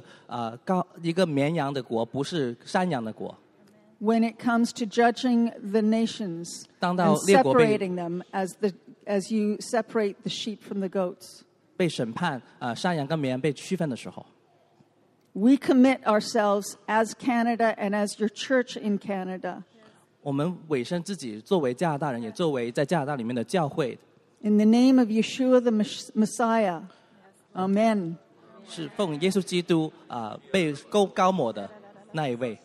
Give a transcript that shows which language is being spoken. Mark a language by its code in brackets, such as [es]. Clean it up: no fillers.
[zh] 让我们被发现是一个绵羊的国，不是山羊的国。 [en] When it comes to judging the nations and separating them as you separate the sheep from the goats. [zh] 被审判，山羊跟绵羊被区分的时候。 [en] We commit ourselves as Canada and as your church in Canada. [zh] 我们委身自己作为加拿大人，也作为在加拿大里面的教会。 [en] In the name of Yeshua the Messiah, Amen. [zh] 是奉耶稣基督被高抹的那一位。